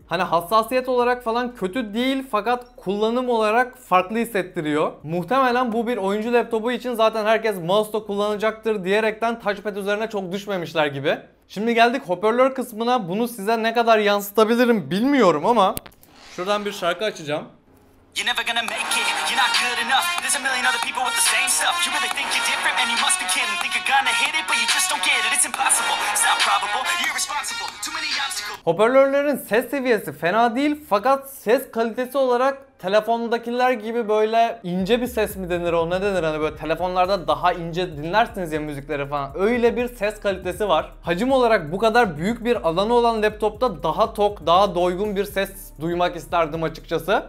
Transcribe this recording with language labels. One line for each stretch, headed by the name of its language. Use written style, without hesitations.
Turkish: Hani hassasiyet olarak falan kötü değil fakat kullanım olarak farklı hissettiriyor. Muhtemelen bu bir oyuncu laptopu için zaten herkes mouse'da kullanacaktır diyerekten touchpad üzerine çok düşmemişler gibi. Şimdi geldik hoparlör kısmına. Bunu size ne kadar yansıtabilirim bilmiyorum ama şuradan bir şarkı açacağım.
English: You're never gonna make it, you're not good enough. There's a million other people with the same stuff. You really think you're different, man, you must be kidding. Think you're gonna hit it, but you just don't get it. It's impossible, it's not probable, you're responsible. Too many obstacles.
Turkish: Hoparlörlerin ses seviyesi fena değil fakat ses kalitesi olarak telefondakiler gibi böyle ince bir ses mi denir o, ne denir, hani böyle telefonlarda daha ince dinlersiniz ya müzikleri falan. Öyle bir ses kalitesi var. Hacim olarak bu kadar büyük bir alanı olan laptopta daha tok, daha doygun bir ses duymak isterdim açıkçası.